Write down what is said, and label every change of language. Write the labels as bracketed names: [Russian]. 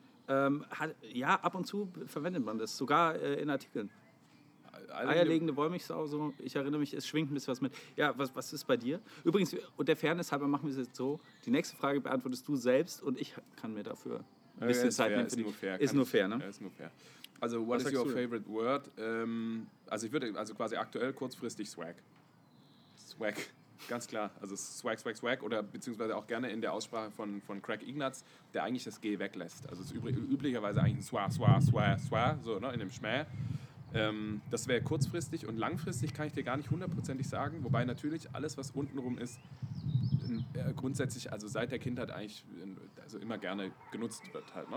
[German] Ab und zu verwendet man das, sogar in Artikeln. Eierlegende Wollmilchsau, so. Ich erinnere mich, es schwingt ein bisschen was mit. Ja, was ist bei dir? Übrigens, und der Fairness halber machen wir es jetzt so, die nächste Frage beantwortest du selbst und ich kann mir dafür ein bisschen Zeit nehmen. Ist nur fair, ne? [English] Also, what is your favorite word? [German] Also quasi aktuell kurzfristig Swag. Swag. Ganz klar, also Swag, Swag, Swag oder beziehungsweise auch gerne in der Aussprache von Craig Ignatz, der eigentlich das G weglässt. Also es ist üblicherweise eigentlich ein Swa, Swa, Swa, Swa, so ne, in dem Schmäh. Das wäre kurzfristig und langfristig kann ich dir gar nicht hundertprozentig sagen, wobei natürlich alles, was untenrum ist, grundsätzlich, also seit der Kindheit eigentlich also immer gerne genutzt wird halt. Ne?